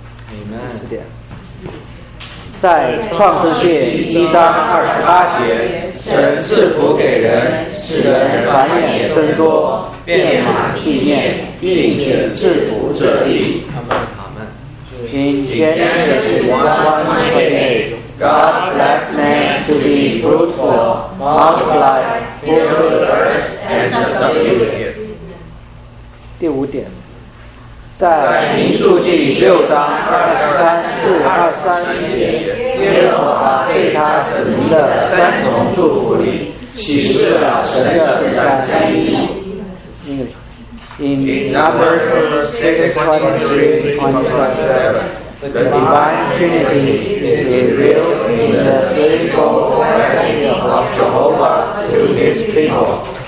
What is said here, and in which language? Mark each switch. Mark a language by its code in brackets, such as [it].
[zh] 第四点，在创世纪一章二十八节，神赐福给人，使人繁衍增多，遍满地面，并且制服这地。 [en] In Genesis 1:28 God bless man to be fruitful, multiply, fill the earth and subdue it. [zh] 第五点，在民数记六章二十三至二十三节，耶和华对他子民的三重祝福里，启示了神的三一。 [en] In Numbers 6:23-27, the divine Trinity is revealed in the faithful blessing of Jehovah to His people.